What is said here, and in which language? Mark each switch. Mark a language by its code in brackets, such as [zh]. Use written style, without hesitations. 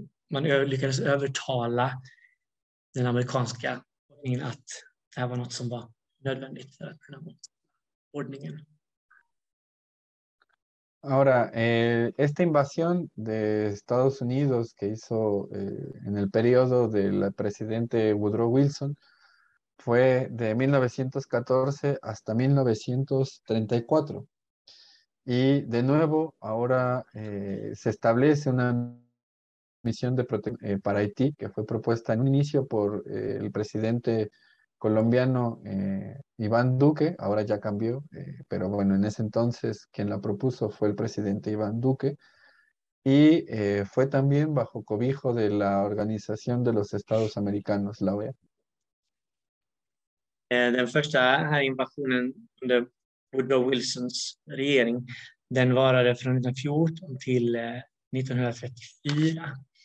[sv] Man lyckades övertala den amerikanska ordningen att det här var något som var nödvändigt för att kunna motstå ordningen. [es] Ahora, esta invasión de Estados Unidos que hizo en el periodo del presidente Woodrow Wilson fue de 1914 hasta 1934. Y de nuevo, ahora se establece una misión de protección para Haití, que fue propuesta en un inicio por el presidente colombiano Iván Duque, ahora ya cambió, pero bueno, en ese entonces quien la propuso fue el presidente Iván Duque, y fue también bajo cobijo de la Organización de los Estados Americanos, la OEA. [sv] Den första här invasionen under Woodrow Wilsons regering, den varade från 1914 till 1934.